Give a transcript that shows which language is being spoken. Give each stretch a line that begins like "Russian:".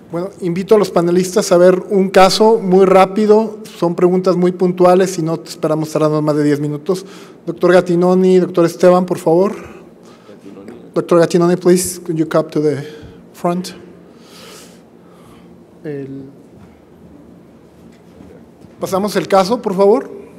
Spanish: Bueno, invito a los panelistas a ver un caso muy rápido, son preguntas muy puntuales y no esperamos tardarnos más de 10 minutos. Doctor Gattinoni, doctor Esteban, por favor.
English: Doctor Gattinoni, please, could you come to the front?
Spanish: Pasamos el caso, por favor.